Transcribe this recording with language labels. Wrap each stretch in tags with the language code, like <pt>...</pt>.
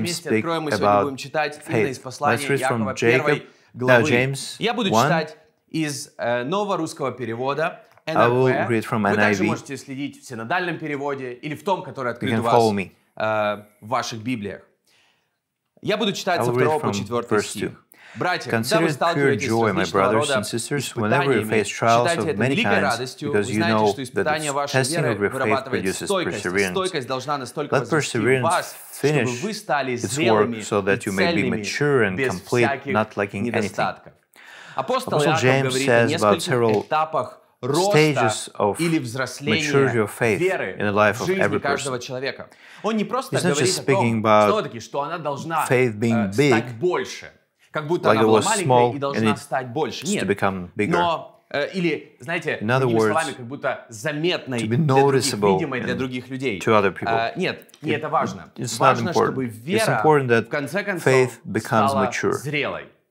<ru>вместе откроем, мы сегодня будем читать именно из послания Иакова 1 главы.</ru> <en>Now, James,</en> <ru>я буду читать из нового русского перевода NIV.</ru> <en>I will read from NIV.</en> <ru>Вы также можете следить в синодальном переводе или в том, который открыт у вас в ваших Библиях. Я буду читать со 2 по 4 стих.</ru> <en>Consider it pure joy, my brothers and sisters, whenever you face trials of many kinds, because you know that the testing of your faith produces perseverance. Let perseverance finish its work so that you may be mature and complete, not lacking anything. Apostle James says about several stages of maturity of faith in the life of every person. He's not just speaking about faith being big,</en> <ru>как будто</ru> <en>like</en> <ru>она была маленькой и должна стать больше. Нет. Но, или, знаете, другими словами, как будто заметной для других, видимой для других людей. Нет, не это важно.</ru> <en>It's</en> <ru>важно, чтобы вера, в конце концов, стала</ru> <en>mature.</en> <ru>Зрелой.</ru>